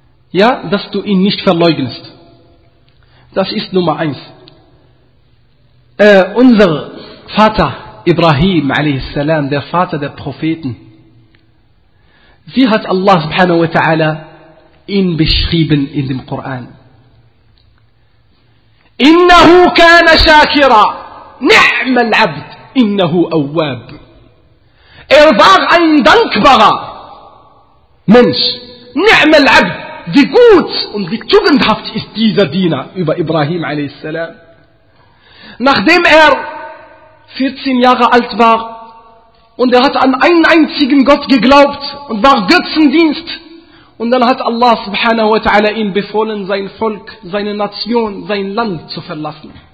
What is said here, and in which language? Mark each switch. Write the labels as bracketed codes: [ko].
[de] Ja, dass du ihn nicht verleugnest. Das ist Nummer eins. Unser Vater Ibrahim alayhi salam, der Vater der Propheten, wie hat Allah subhanahu wa ta'ala ihn beschrieben in dem Koran? [ar] إنه كان شاكرا نعم العبد إنه أواب. [de] Er war ein dankbarer Mensch. [ar] نعم العبد. [de] Wie gut und wie tugendhaft ist dieser Diener über Ibrahim a.s. Nachdem er 14 Jahre alt war und er hat an einen einzigen Gott geglaubt und war Götzendienst, und dann hat Allah subhanahu wa ta'ala ihm befohlen, sein Volk, seine Nation, sein Land zu verlassen.